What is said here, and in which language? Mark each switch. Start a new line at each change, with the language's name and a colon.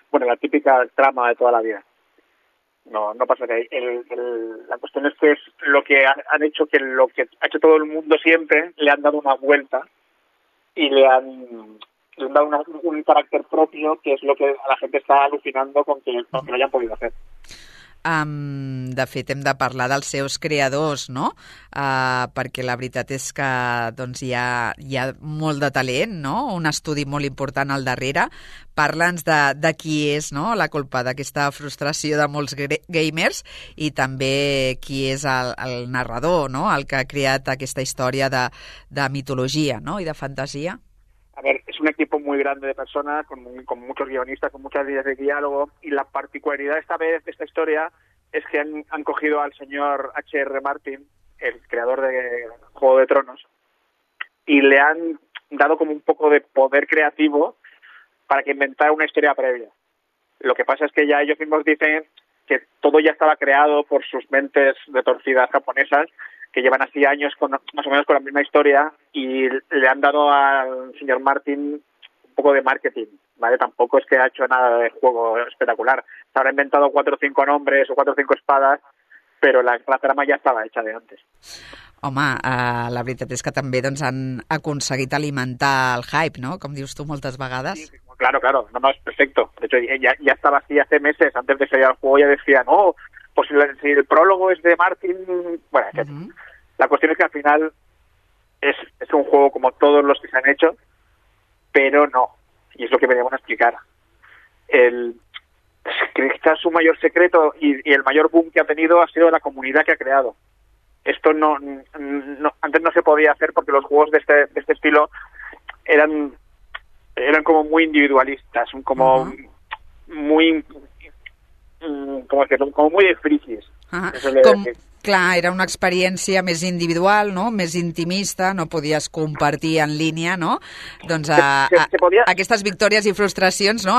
Spanish: Bueno, la típica trama de toda la vida. No pasa de ahí. La cuestión es que es lo que han hecho, que lo que ha hecho todo el mundo siempre, le han dado una vuelta y le han dado un carácter propio, que es lo que a la gente está alucinando con que lo hayan podido hacer.
Catalan: De fet, hem de parlar dels seus creadors, no? Perquè la veritat és que doncs, hi ha molt de talent, no? Un estudi molt important al darrere. Parla'ns de qui és, no?, la culpa d'aquesta frustració de molts gamers i també qui és el narrador, no?, el que ha creat aquesta història de mitologia, no?, i de fantasia.
Spanish: A ver, es un equipo muy grande de personas, con muchos guionistas, con muchas líneas de diálogo, y la particularidad esta vez de esta historia es que han cogido al señor H.R. Martin, el creador de Juego de Tronos, y le han dado como un poco de poder creativo para que inventara una historia previa. Lo que pasa es que ya ellos mismos dicen que todo ya estaba creado por sus mentes retorcidas japonesas, que llevan así años más o menos con la misma historia y le han dado al señor Martin un poco de marketing, ¿vale? Tampoco es que ha hecho nada de juego espectacular. Se habrá inventado 4 o 5 nombres o 4 o 5 espadas, pero la trama ya estaba hecha de antes.
Catalan: Home, la veritat és que també doncs, han aconseguit alimentar el hype, no? Com dius tu moltes vegades.
Spanish: Sí, claro, no, és perfecto. De hecho, ya estaba así hace meses, antes de salir al juego ya decía, no... Pues si el prólogo es de Martin, bueno, uh-huh. La cuestión es que al final es un juego como todos los que se han hecho, pero no, y es lo que veníamos a explicar. Quizás su mayor secreto y el mayor boom que ha tenido ha sido la comunidad que ha creado. Esto no antes no se podía hacer porque los juegos de este estilo eran como muy individualistas, como uh-huh. muy... Como muy de frikis. Como,
Catalan: Clar, era una experiència més individual, no? Més intimista, no podies compartir en línia, no? Doncs aquestes victòries i frustracions, no?